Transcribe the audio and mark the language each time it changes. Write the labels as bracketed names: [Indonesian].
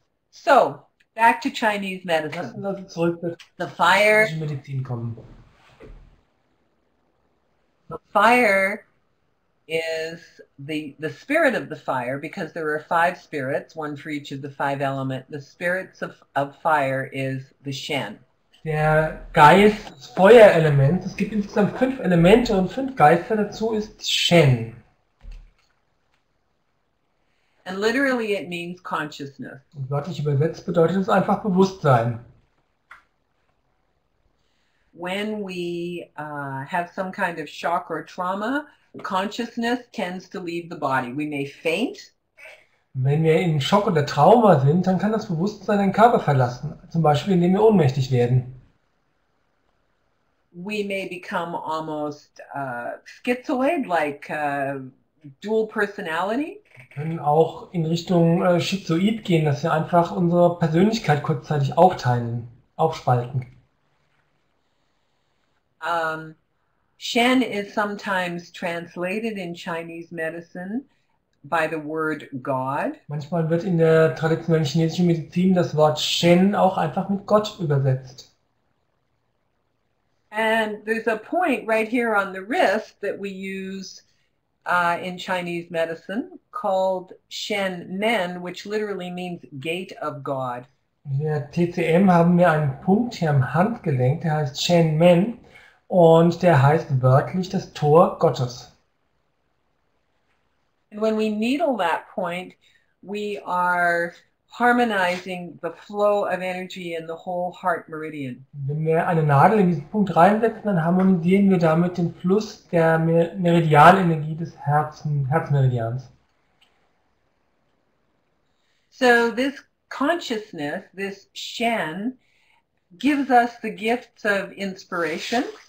[English] So, back to Chinese [German] Lassen [English] medicine. [German] Sie also zurück zur [English] The [German] chinesischen Medizin kommen. [English] fire is the spirit of the fire, because there are five spirits, one for each of the five elements. The spirits of fire is the Shen. [German] Der Geist, das Feuerelement, es gibt insgesamt fünf Elemente und fünf Geister, dazu ist Shen. [English] And literally it means consciousness. [German] Und wörtlich übersetzt bedeutet es einfach Bewusstsein. [English] When we have some kind of shock or trauma, consciousness tends to leave the body. We may faint. [German] Wenn wir in Schock oder Trauma sind, dann kann das Bewusstsein den Körper verlassen, zum Beispiel indem wir ohnmächtig werden. [English] We may become almost schizoid, like dual personality. [German] Können auch in Richtung Schizoid gehen, dass wir einfach unsere Persönlichkeit kurzzeitig aufteilen, aufspalten. [English] Shen is sometimes translated in Chinese medicine by the word God. [German] Manchmal wird in der traditionellen chinesischen Medizin das Wort Shen auch einfach mit Gott übersetzt. [English] And there's a point right here on the wrist that we use in Chinese medicine called Shen Men, which literally means gate of God. [German] In der TCM haben wir einen Punkt hier am Handgelenk, der heißt Chen Men und der heißt wörtlich das Tor Gottes. [English] And when we needle that point, we are harmonizing the flow of energy in the whole heart meridian. [German] Wenn wir eine Nadel in diesen Punkt reinsetzen, dann harmonisieren wir damit den Fluss der Meridialenergie des Herzmeridians. [English] So this consciousness, this Shen, gives us the gifts of inspiration.